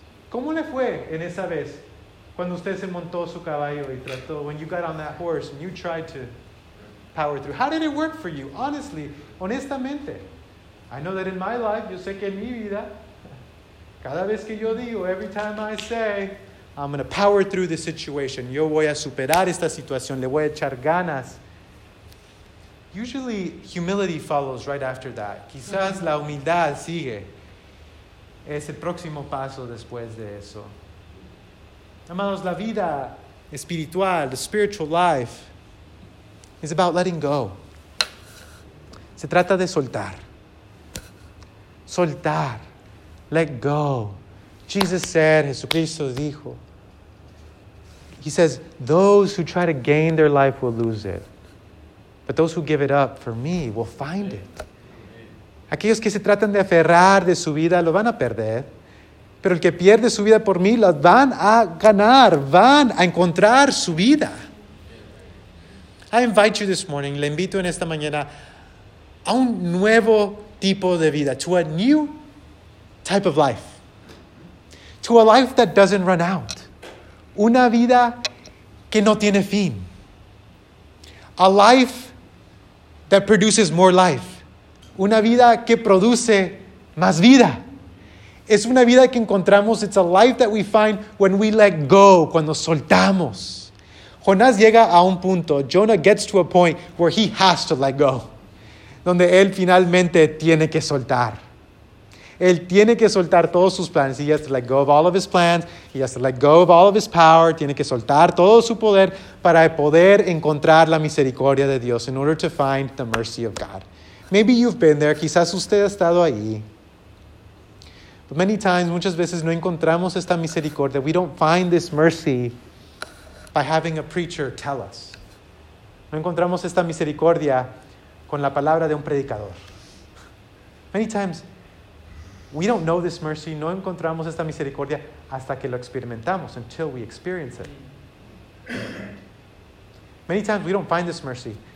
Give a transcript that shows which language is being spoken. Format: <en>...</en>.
<es>¿Cómo le fue en esa vez cuando usted se montó su caballo y trató,</es> <en>when you got on that horse and you tried to power through? How did it work for you? Honestly, honestamente. I know that in my life,</en> <es>yo sé que en mi vida, cada vez que yo digo,</es> <en>every time I say, I'm going to power through this situation,</en> <es>yo voy a superar esta situación, le voy a echar ganas.</es> <en>Usually, humility follows right after that.</en> <es>Quizás la humildad sigue. Es el próximo paso después de eso. Amados, la vida</es> <en>espiritual, the spiritual life, is about letting go.</en> <es>Se trata de soltar. Soltar.</es> <en>Let go. Jesus said,</en> <es>Jesucristo dijo.</es> <en>He says, those who try to gain their life will lose it. But those who give it up for me will find it.</en> <es>Aquellos que se tratan de aferrar de su vida lo van a perder. Pero el que pierde su vida por mí las van a ganar, van a encontrar su vida.</es> <en>I invite you this morning,</en> <es>le invito en esta mañana a un nuevo tipo de vida,</es> <en>to a new type of life, to a life that doesn't run out,</en> <es>una vida que no tiene fin,</es> <en>a life that produces more life,</en> <es>una vida que produce más vida. Es una vida que encontramos,</es> <en>it's a life that we find when we let go,</en> <es>cuando soltamos. Jonás llega a un punto,</es> <en>Jonah gets to a point where he has to let go,</en> <es>donde él finalmente tiene que soltar. Él tiene que soltar todos sus planes.</es> <en>He has to let go of all of his plans. He has to let go of all of his power.</en> <es>Tiene que soltar todo su poder para poder encontrar la misericordia de Dios,</es> <en>in order to find the mercy of God. Maybe you've been there.</en> <es>Quizás usted ha estado ahí.</es> <en>But many times,</en> <es>muchas veces, no encontramos esta misericordia.</es> <en>We don't find this mercy by having a preacher tell us.</en> <es>No encontramos esta misericordia con la palabra de un predicador.</es> <en>Many times, we don't know this mercy,</en> <es>no encontramos esta misericordia hasta que lo experimentamos,</es> <en>until we experience it. Many times, we don't find this mercy.</en>